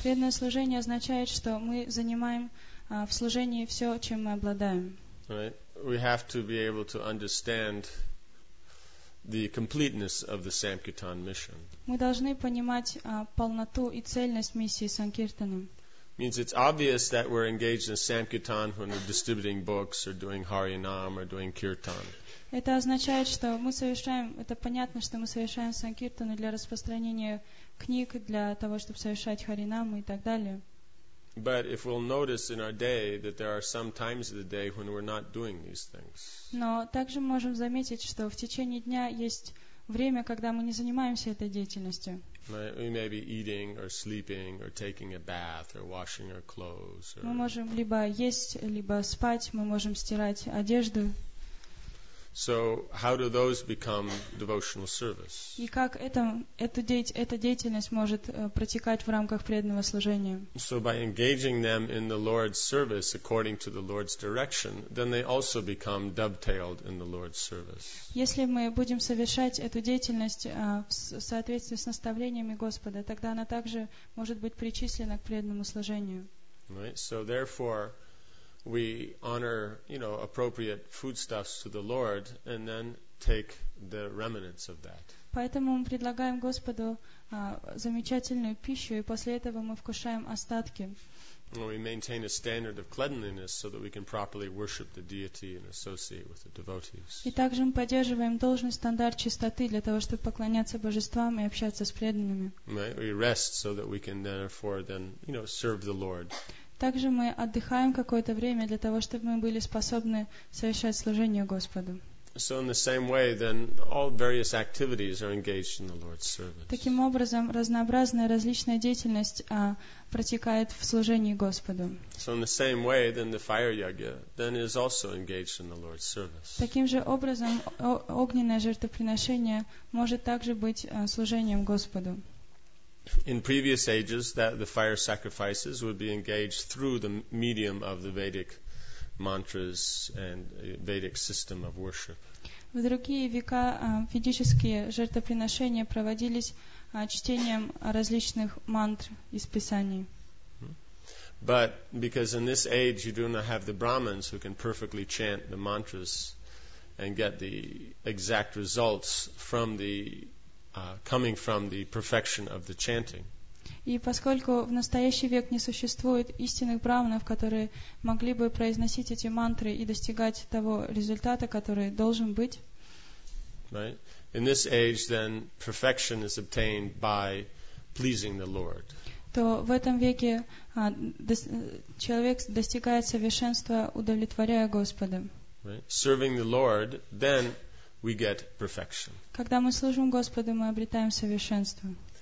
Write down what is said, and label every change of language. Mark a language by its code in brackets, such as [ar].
[ru] Преданное служение означает, что мы занимаем в служении все, чем мы обладаем. [en] Right? We have to be able to understand the completeness of the Sankirtan mission. [ru] Мы должны понимать полноту и цельность миссии Санкиртаны. [en] Means it's obvious that we're engaged in Sankirtan when we're distributing books or doing Harinam or doing Kirtan. [ru] Это означает, что мы совершаем, это понятно, что мы совершаем санкиртану для распространения книг, для того, чтобы совершать харинамы и так далее. [en] But if we'll notice in our day that there are some times of the day when we're not doing these things. [ru] Но также можем заметить, что в течение дня есть время, когда мы не занимаемся этой деятельностью. [en] We may be eating or sleeping or taking a bath or washing our clothes. [ru] Мы можем либо есть, либо спать, мы можем стирать одежду. [en] So how do those become devotional service? [ru] И как эта деятельность может протекать в рамках преданного служения? [en] So by engaging them in the Lord's service according to the Lord's direction, then they also become dovetailed in the Lord's service. [ru] Если мы будем совершать эту деятельность в соответствии с наставлениями Господа, тогда она также может быть причислена к преданному служению. [en] Right. So therefore we honor, you know, appropriate foodstuffs to the Lord and then take the remnants of that. [ru] Поэтому мы предлагаем Господу замечательную пищу, и после этого мы вкушаем остатки. [en] We maintain a standard of cleanliness so that we can properly worship the deity and associate with the devotees. [ru] И также мы поддерживаем должный стандарт чистоты для того, чтобы поклоняться божествам и общаться с преданными. [en] We rest so that we can therefore then, you know, serve the Lord. [ru] Также мы отдыхаем какое-то время для того, чтобы мы были способны совершать служение Господу. [en] So in the same way, then, all various activities are engaged in the Lord's service. [ru] Таким образом, разнообразная различная деятельность протекает в служении Господу. [en] So in the same way, then, the fire yagya then is also engaged in the Lord's service. [ru] Таким же образом, огненное жертвоприношение может также быть служением Господу. [en] In previous ages, that the fire sacrifices would be engaged through the medium of the Vedic mantras and Vedic system of worship. [ru] В другие века ведические жертвоприношения проводились чтением различных мантр из Писаний. [en] But because in this age you do not have the Brahmins who can perfectly chant the mantras and get the exact results from the coming from the perfection of the chanting. [ru] И поскольку в настоящий век не существует истинных браманов, которые могли бы произносить эти мантры и достигать того результата, который должен быть. [en] Right. In this age, then, perfection is obtained by pleasing the Lord. [ru] То в этом веке человек достигает совершенства, удовлетворяя Господа. [en] Right. Serving the Lord, then we get perfection. [ru] Когда мы служим Господу, мы обретаем совершенство.